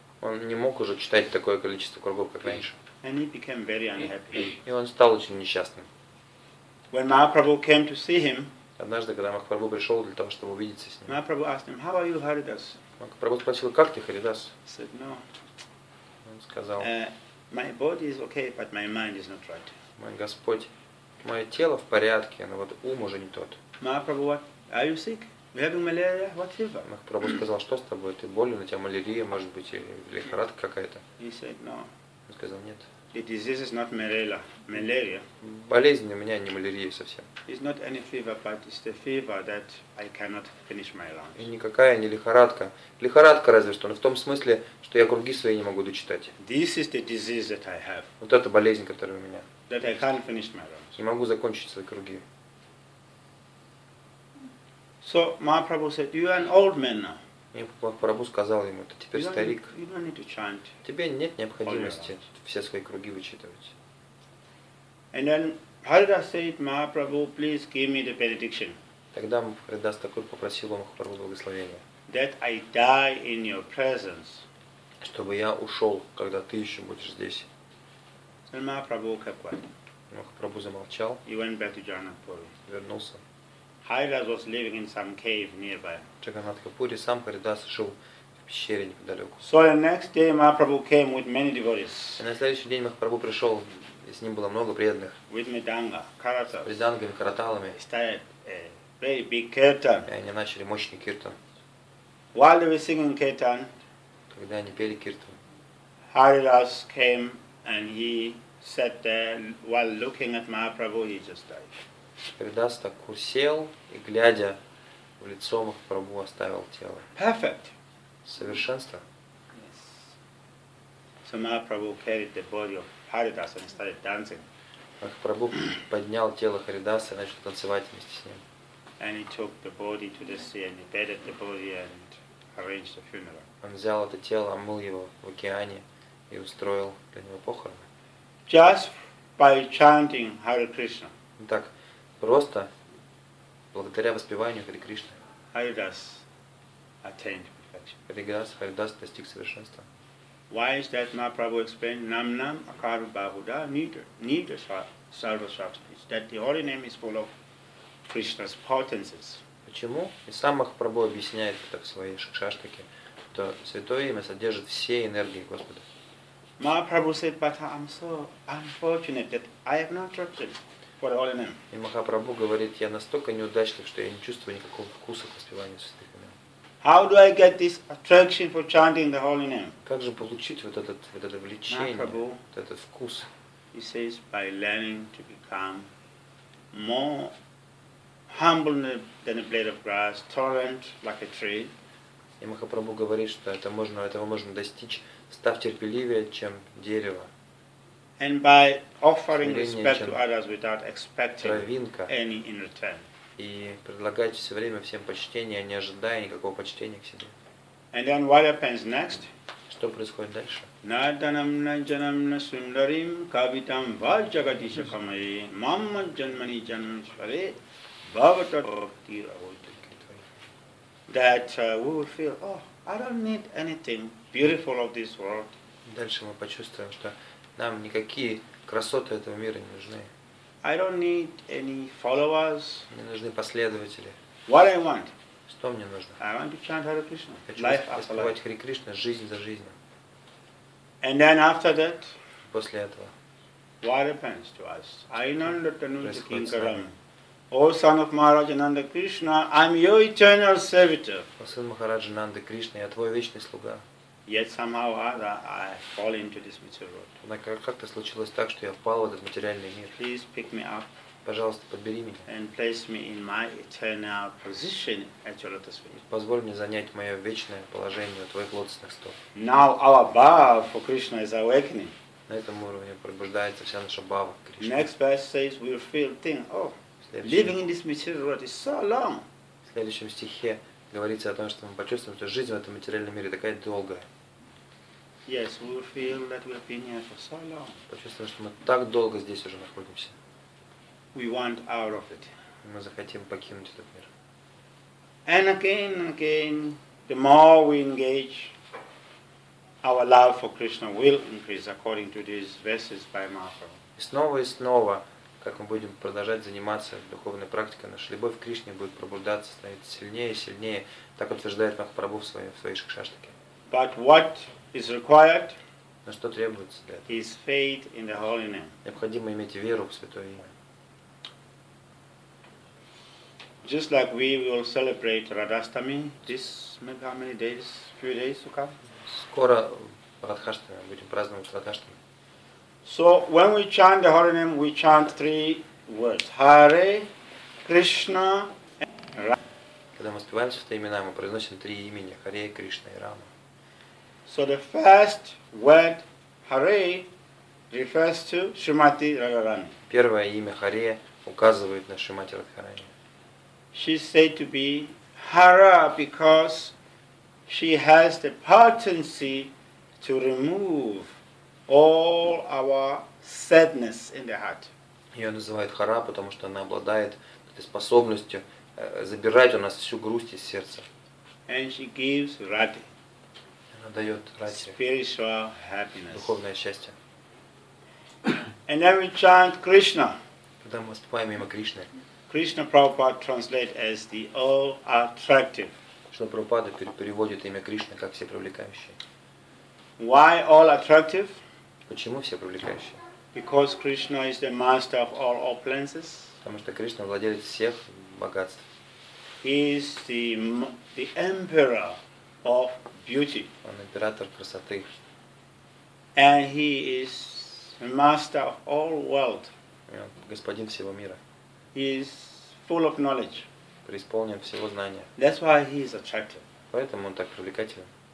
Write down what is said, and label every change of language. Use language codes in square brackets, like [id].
[ru] Он не мог уже читать такое количество кругов, как раньше. [en] And he became very unhappy. [ru] И он стал очень несчастным. [en] When Mahaprabhu came to see him, [ru] однажды, когда Махапрабху пришел для того, чтобы увидеться с ним, [en] Mahaprabhu asked him, "How are you, Haridas?" [ru] Махапрабху спросил, "Как ты, Харидас?" [en] He said, "No." [ru] Он сказал, [en] "My body is okay, but my mind is not right." [ru] Мой Господь, мое тело в порядке, но вот ум уже не тот. [en] Mahaprabhu, what? Are you sick? You having malaria? What fever? [ru] Махапрабху сказал, "Что с тобой? Ты болен? У тебя малярия, может быть, лихорадка какая-то?" [en] He said, "No." [ru] Он сказал, "Нет." [en] The disease is not malaria. Malaria. [ru] Болезнь у меня не малярия совсем. [en] It's not any fever, but it's the fever that I cannot finish my rounds. [ru] И никакая не лихорадка. Лихорадка разве что, но в том смысле, что я круги свои не могу дочитать. [en] This is the disease that I have. [ru] Вот это болезнь, которая у меня. [en] That I can't finish my rounds. [ru] Не могу закончить свои круги. [en] So Mahaprabhu said, "You are an old man now." [ru] И Махапрабху сказал ему, ты теперь старик. [en] Chant, [ru] тебе нет необходимости все свои круги вычитывать. [en] And then Haridas said, "Mahaprabhu, please give me the benediction." [ru] Тогда Харидас такой попросил у Махапрабху благословения. [en] That I die in your presence. [ru] Чтобы я ушел, когда ты еще будешь здесь. [en] And Mahaprabhu kept quiet. [ru] Махапрабху замолчал. [en] He went back to Jagannathpuri. [ru] Вернулся. [en] Haridas was living in some cave nearby. [ru] Jagannath Puri, сам Харидас жил в пещере неподалеку. [en] So the next day Mahaprabhu came with many devotees. [ru] И на следующий день Махапрабху пришел, и с ним было много преданных. [en] With Мриданга, Каратал. [ru] С Мридангами, Караталами. [en] He started a very big kirtan. [ru] И они начали мощный киртан. [en] While they were singing kirtan, [ru] когда они пели киртан, [en] Haridas came and he sat there while looking at Mahaprabhu, he just died. [ru] Харидас так усел и, глядя в лицо Махапрабху, оставил тело. [en] Perfect. [ru] Совершенство. [en] Yes. So Mahaprabhu carried the body of Haridas and started dancing. [ru] Махапрабху поднял тело Харидаса и начал танцевать вместе с ним. [en] And he took the body to the sea and he bathed the body and arranged the funeral. [ru] Он взял это тело, омыл его в океане и устроил для него похороны. [en] Just by chanting Hare Krishna. [ru] Так. Просто благодаря воспеванию Хари Кришны. [en] Haridas attained perfection. [ru] Харидас достиг совершенства. [en] Why is that? Mahaprabhu explained, [sa] "Nam nam akar bahuda nidra sarva shastis." [en] That the holy name is full of Krishna's potencies. [ru] Почему? И сам Махапрабху объясняет это в своей шикшаштике, что святое имя содержит все энергии Господа. [en] Mahaprabhu said, "But I'm so unfortunate that I have no attraction." [ru] И Махапрабху говорит, я настолько неудачлив, что я не чувствую никакого вкуса к воспеванию святых имен. [en] How do I get this attraction for chanting the holy name? [ru] Как же получить вот это влечение, [en] Mahaprabhu, [ru] вот этот вкус? [en] He says by learning to become more humble than a blade of grass, tolerant like a tree. [ru] И Махапрабху говорит, что этого можно достичь, став терпеливее, чем дерево. [en] And by offering respect to others without expecting [ru] травинка, [en] any in return. [ru] И предлагать все время всем почтение, не ожидая никакого почтения к себе. [en] And then what happens next? [ru] Что происходит дальше? [sa] Наданам наджанам насундарим кавитам ваджагадиша камари мамма джанмани джанмашваре бхавата бхактира ойтаки твари. [en] That we will feel, oh, I don't need anything beautiful of this world. [ru] Дальше мы почувствуем, что нам никакие красоты этого мира не нужны. [en] I don't need any followers. [ru] Мне нужны последователи. [en] What I want? [ru] Что мне нужно? [en] I want to chant Hare Krishna. [ru] Хочу воспевать Хари Кришна жизнь за жизнью. [en] And then after that? [ru] После этого. [en] What happens to us? I know that the new king Karama. O son of Maharaja Nanda Krishna, I'm your eternal servitor. [ru] О сын Махараджа Нанда Кришна, я твой вечный слуга. [en] Yet somehow or other I fall into this material world. [ru] Однако как-то случилось так, что я впал в этот материальный мир. [en] Please pick me up. [ru] Пожалуйста, подбери меня. [en] And place me in my eternal position at your lotus feet. [ru] Позволь мне занять мое вечное положение у твоих лотосных стоп. [en] Now our bhava for Krishna is awakening. [ru] На этом уровне пробуждается вся наша бхава Кришна. [en] Next verse says we feel thing. Oh, living in this material world is so long. [ru] В следующем стихе говорится о том, что мы почувствуем, что жизнь в этом материальном мире такая долгая. [en] Yes, we feel that we've been here for so long. [ru] Почувствуем, что мы так долго здесь уже находимся. [en] We want out of it. [ru] Мы захотим покинуть этот мир. [en] And again, again, the more we engage, our love for Krishna will increase according to these verses by Mahaprabhu. [ru] И снова и снова, как мы будем продолжать заниматься духовной практикой, наша любовь к Кришне будет пробуждаться, становится сильнее и сильнее, так утверждает Махапрабху в своей Шикшаштике. [en] But what is required? [ru] Но что требуется для этого? [en] Is faith in the holy name. [ru] Необходимо иметь веру в святое имя. [en] Just like we will celebrate Radhastami this maybe how many days, few days to come. [ru] Скоро Радхаштами будем праздновать Радхаштами. [en] So when we chant the holy name, we chant three words: Hare Krishna Rama. [ru] Когда мы спеваем святые имена, мы произносим три имени: Харе, Кришна и Рама. [en] So the first word Hare refers to Shrimati Radharani. [ru] Первое имя Харе указывает на Шримати Радхарани. [en] She said to be Hara because she has the potency to remove all our sadness in the heart. [ru] Её называют Хара, потому что она обладает этой способностью забирать у нас всю грусть из сердца. [en] And she gives Radhi. [ru] Она даёт Радхе. [en] Spiritual happiness. [ru] Духовное счастье. [en] And then we chant Krishna. [ru] Когда мы воспеваем имя Кришны. [en] Krishna Prabhupada translates as the all attractive. [ru] Что Прабхупада переводит имя Кришна как все привлекающие. [en] Why all attractive? [ru] Почему все привлекающие? [en] Because Krishna is the master of all opulences. [ru] Потому что Кришна владелец всех богатств. [en] He is the emperor of beauty. [ru] Он император красоты. [en] And he is the master of all wealth. [ru] Он господин всего мира. [en] He is full of knowledge. [ru] Преисполнен всего знания. [en] That's why he is attractive. [ru] Поэтому он так привлекателен.